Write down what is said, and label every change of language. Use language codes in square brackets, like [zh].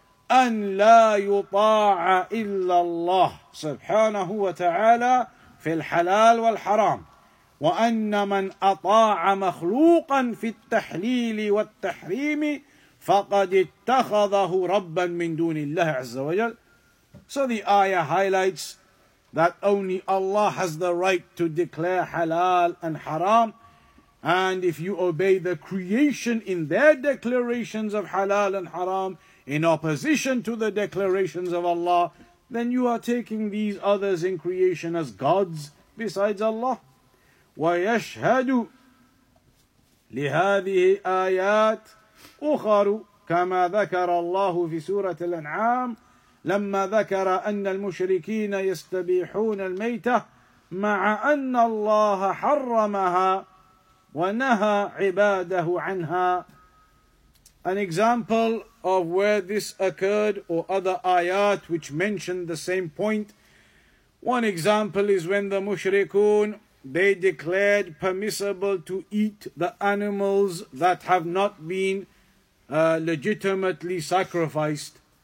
[ar] أَنْ لَا يُطَاعَ إِلَّا اللَّهِ سبحانه وتعالى في الحلال والحرام وَأَنَّ مَنْ أَطَاعَ مَخْلُوقًا فِي التَّحْلِيلِ وَالتَّحْرِيمِ فَقَدِ اتَّخَذَهُ رَبًّا مِنْ دُونِ اللَّهِ عَزَّ وَجَلَّ [en] So the ayah highlights that only Allah has the right to declare halal and haram. And if you obey the creation in their declarations of halal and haram in opposition to the declarations of Allah, then you are taking these others in creation as gods besides Allah. [ar] وَيَشْهَدُ لِهَذِهِ آيَاتِ أُخَرُ كَمَا ذَكَرَ اللَّهُ فِي سُورَةِ الْأَنْعَامِ لما ذكر أن المشركين يستبيحون الميتة مع أن الله حرمها ونهى عباده عنها. [en] An example of where this occurred, or other ayat which mentioned the same point. One example is when the mushrikun, they declared permissible to eat the animals that have not been legitimately sacrificed.